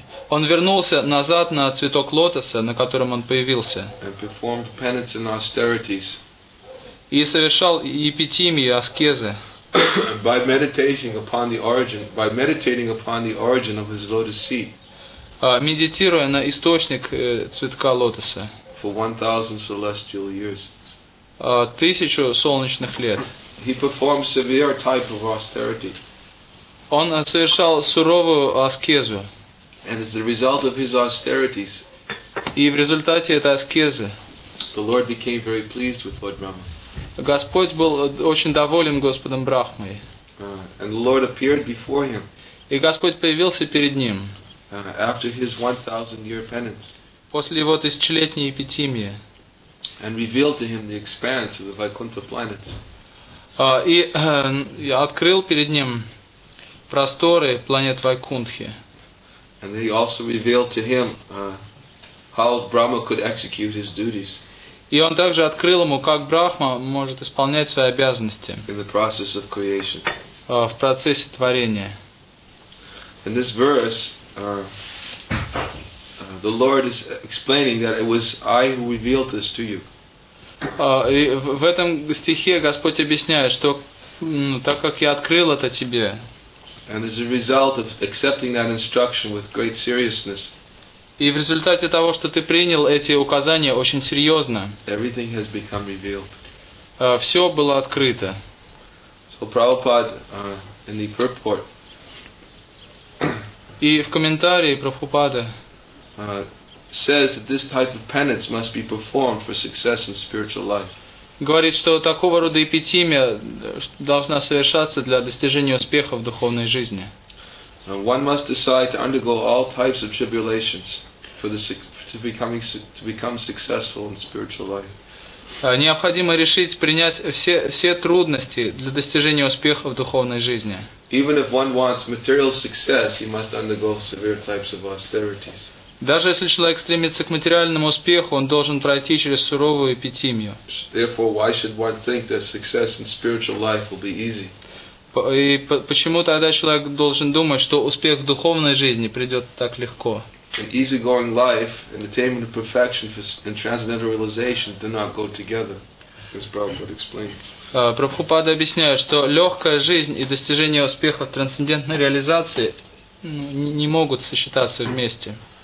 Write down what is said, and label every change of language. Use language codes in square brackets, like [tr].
[ru] Он вернулся назад на цветок лотоса, на котором он появился. [en] And performed penance and austerities. [ru] И совершал епитимию, аскезы. [en] By meditating upon the origin, by meditating upon the origin of his lotus seat. [ru] Медитируя на источник цветка лотоса. [en] For 1,000 celestial years. [ru] Тысячу солнечных лет. [en] He performed severe type of austerity. [ru] Он совершал суровую аскезу. [en] And as the result of his austerities. [ru] И в результате этой аскезы. [en] The Lord became very pleased with Lord Brahma. [ru] Господь был очень доволен Господом Брахмой. [en] And the Lord appeared before him. [ru] И Господь появился перед ним. [en] After his 1,000-year penance. [ru] После его тысячелетней епитимии. [en] And revealed to him the expanse of the Vaikuntha planets. [ru] И открыл перед ним просторы планет Вайкунтхи. [en] And he also revealed to him how Brahma could execute his duties. [ru] И он также открыл ему, как Брахма может исполнять свои обязанности. [en] In the process of creation. [ru] В процессе творения. [en] In this verse, the Lord is explaining that it was I who revealed this to you. [ru] В этом стихе Господь объясняет, что так как я открыл это тебе. [en] And as a result of accepting that instruction with great seriousness. [ru] И в результате того, что ты принял эти указания очень серьезно. [en] Everything has become revealed. [ru] Все было открыто. [en] So Prabhupada in the purport. [ru] И в комментарии Прабхупада. [en] Says that this type of penance must be performed for success in spiritual life. [ru] Говорит, что такого рода эпитимия должна совершаться для достижения успеха в духовной жизни. [en] One must decide to undergo all types of tribulations for the to become successful in spiritual life. [ru] Необходимо решить принять все трудности для достижения успеха в духовной жизни. [en] Even if one wants material success, he must undergo severe types of austerities. [ru] Даже если человек стремится к материальному успеху, он должен пройти через суровую эпитимию. [en] Therefore, why should one think that success in spiritual life will be easy? [ru] И почему тогда человек должен думать, что успех в духовной жизни придет так легко? [en] An easygoing life and attainment of perfection and transcendental realization do not go together, as Prabhupada explains. [ru] Прабхупада объясняет, что легкая жизнь и достижение успеха в трансцендентной реализации не могут сочетаться вместе.